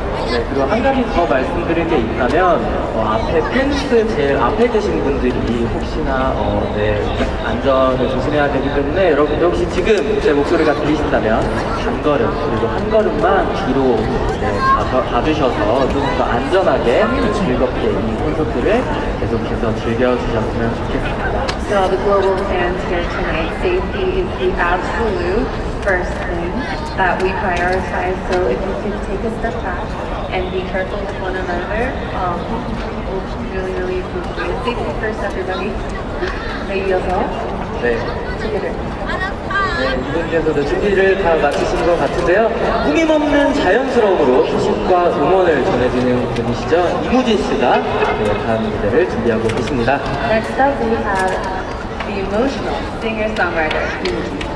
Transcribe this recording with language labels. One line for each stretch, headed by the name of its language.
Korean: 네, 그리고 한 가지 더 말씀드릴 게 있다면 앞에 펜스 제일 앞에 계신 분들이 혹시나 네, 안전을 조심해야 되기 때문에 여러분들 혹시 지금 제 목소리가 들리신다면 한 걸음 그리고 한 걸음만 뒤로 봐주셔서 좀 더 안전하게 즐겁게 이 콘서트를 계속해서 즐겨주셨으면 좋겠습니다.
English: So the global fans here tonight, safety is the absolute first thing that we prioritize. So if you could take a step back and be careful with one another, we'll really, really appreciate it. Safety first, everybody.
Korean: 네, 이어서. 네. 준비를. 네, 이분께서도 준비를 다 마치신 것 같은데요. 꾸밈 없는 자연스러움으로 희식과 응원을 전해주는 분이시죠. 이무진 씨가 다음 무대를 준비하고 계십니다.
English: Next up, we have the emotional singer-songwriter, 이무진.